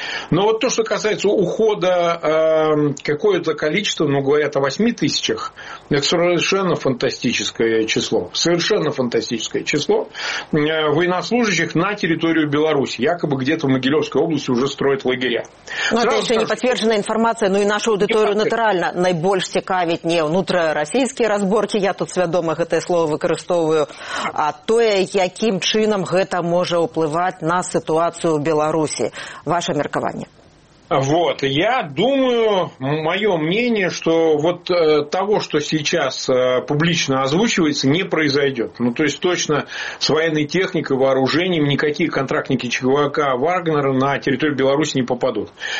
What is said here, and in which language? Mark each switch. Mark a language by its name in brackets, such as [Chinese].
[Russian] Но вот то, что касается ухода какое-то количество, ну, говорят о 8 тысячах, это совершенно фантастическое число. Совершенно фантастическое число военнослужащих на территорию Беларуси. Якобы где-то в Могилевской области уже строят лагеря. Но это еще не подтвержденная информация, но и нашу аудиторию [Belarusian] натурально наибольше цікавіць не ўнутрарасійскія разборкі, я тут свядома гэтае слова выкарыстоўваю, а тое, якім чынам гэта можа ўплываць на сітуацыю ў Беларусі. Ваша меркаванне. [Russian] Вот, я думаю, мое мнение, что вот того, что сейчас публично озвучивается, не произойдет. Ну, то есть, точно с военной техникой, вооружением никакие контрактники ЧВК «Вагнера» на территорию Беларуси не попадут.